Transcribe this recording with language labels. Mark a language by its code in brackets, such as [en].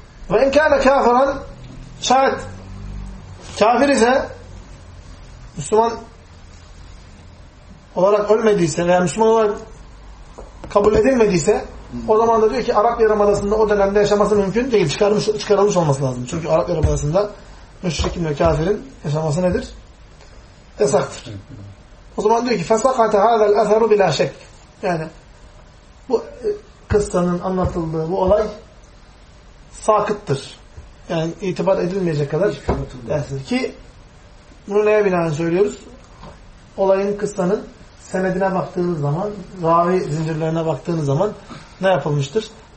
[tr] Ve [ar] inkâne kâfıran [tr] şayet kafir ise Müslüman olarak ölmediyse veya Müslüman olarak kabul edilmediyse o zaman da diyor ki Arap Yarımadası'nda o dönemde yaşaması mümkün değil. Çıkarılmış olması lazım. Çünkü Arap Yarımadası'nda müşrik ve kafirin yaşaması nedir? Yasaktır. O zaman diyor ki [ar] فَسَقَتَ هَذَا الْأَثَرُ بِلَا شَكْ. [tr] Yani bu kıssanın anlatıldığı bu olay sakıttır. Yani itibar edilmeyecek kadar dersiniz. Ki bunu neye binaen söylüyoruz? Olayın, kıssanın senedine baktığınız zaman, ravi zincirlerine baktığınız zaman ne yapılmıştır?